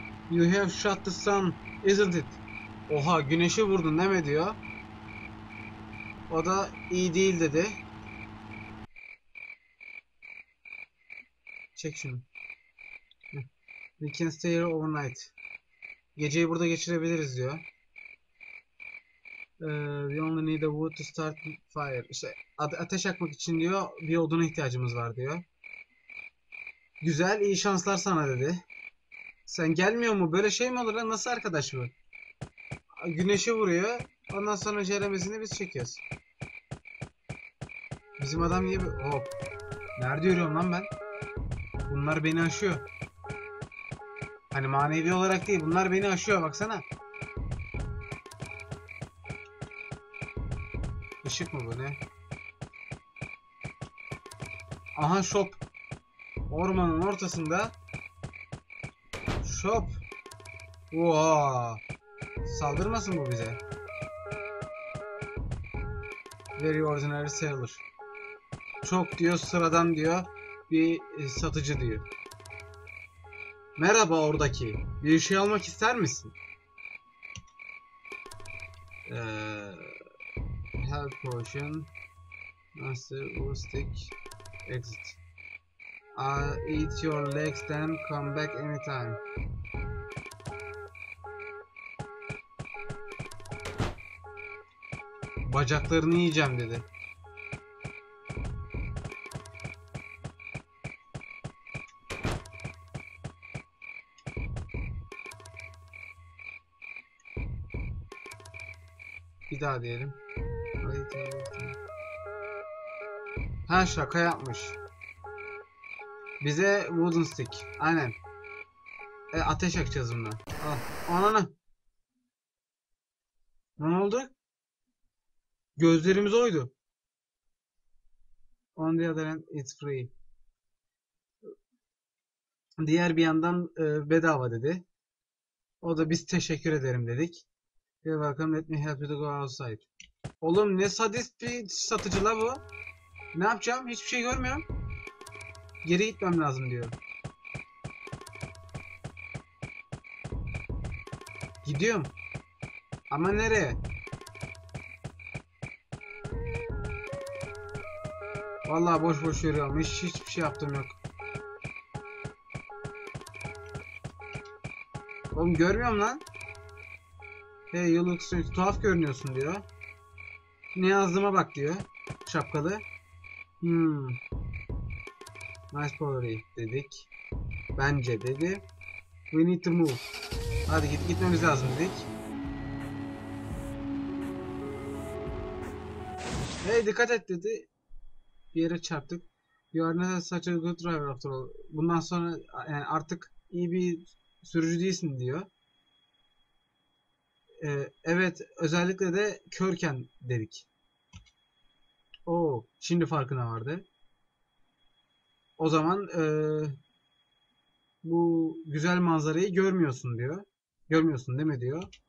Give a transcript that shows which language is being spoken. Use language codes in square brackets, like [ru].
[en] You have shot the sun, isn't it? [tr] Oha, güneşi vurdun değil mi diyor. O da iyi değil dedi. Çek şunu. [en] We can stay here overnight. [tr] Geceyi burada geçirebiliriz diyor. [en] We only need a wood to start fire. [tr] İşte ateş yakmak için diyor, bir oduna ihtiyacımız var diyor. Güzel, iyi şanslar sana dedi. Sen gelmiyor mu? Böyle şey mi olur lan? Nasıl arkadaş bu? Güneşi vuruyor. Ondan sonra ceremesini biz çekiyoruz. Bizim adam gibi. Hop. Nerede yürüyorum lan ben? Bunlar beni aşıyor. Hani manevi olarak değil. Bunlar beni aşıyor, baksana. Işık mı bu, ne? Aha, shop. Ormanın ortasında. Shop. Oo. Saldırmasın bu bize. [en] Very ordinary sailor. [tr] Çok diyor, sıradan diyor. Bir satıcı diyor. Merhaba oradaki. Bir şey almak ister misin? [en] Health potion, master, wood stick, exit. Eat your legs, then come back anytime. [tr] Bacaklarını yiyeceğim dedi. Bir daha diyelim. Ha, şaka yapmış. Bize wooden stick. Aynen. Ateş yakacağız bundan. Ah. Ananı. Ne oldu? Gözlerimiz oydu. [en] On the other hand it's free. [tr] Diğer bir yandan bedava dedi. O da biz teşekkür ederim dedik. [en] You're welcome, let me help you to go outside. [tr] Oğlum ne sadist bir satıcı la bu. Ne yapacağım? Hiçbir şey görmüyorum. Geri gitmem lazım diyor. Gidiyorum. Ama nereye? Vallahi boş boş yürüyorum. Hiçbir şey yaptığım yok. Oğlum görmüyorum lan. [en] Hey you look strange. [tr] Tuhaf görünüyorsun diyor. Ne yazdığıma bak diyor. Şapkalı. [en] Nice pottery [tr] dedik. Bence dedi. [en] We need to move. [tr] Hadi git, gitmemiz lazım dedik. Hey dikkat et dedi. Bir yere çarptık. [en] You are not such a good driver after all. [tr] Bundan sonra yani artık iyi bir sürücü değilsin diyor. Evet özellikle de körken dedik. Oo, şimdi farkına vardı. O zaman bu güzel manzarayı görmüyorsun diyor. Görmüyorsun değil mi diyor.